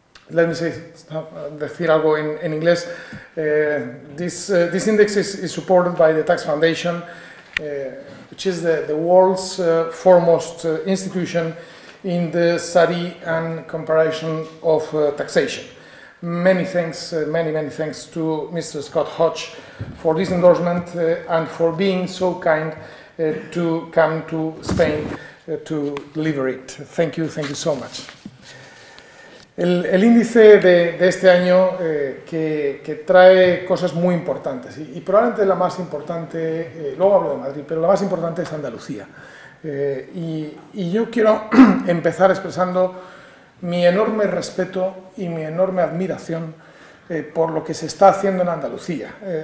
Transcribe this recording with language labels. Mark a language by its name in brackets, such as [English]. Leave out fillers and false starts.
[English] Let me [Spanish] decir algo en inglés. [English] This index is supported by the Tax Foundation, which is the world's foremost institution in the study and comparison of taxation. Many thanks to Mr. Scott Hodge for this endorsement and for being so kind to come to Spain to deliver it. Thank you so much. [Spanish] El índice de este año que trae cosas muy importantes, y probablemente la más importante, luego hablo de Madrid, pero la más importante es Andalucía. Y yo quiero empezar expresando mi enorme respeto y mi enorme admiración por lo que se está haciendo en Andalucía.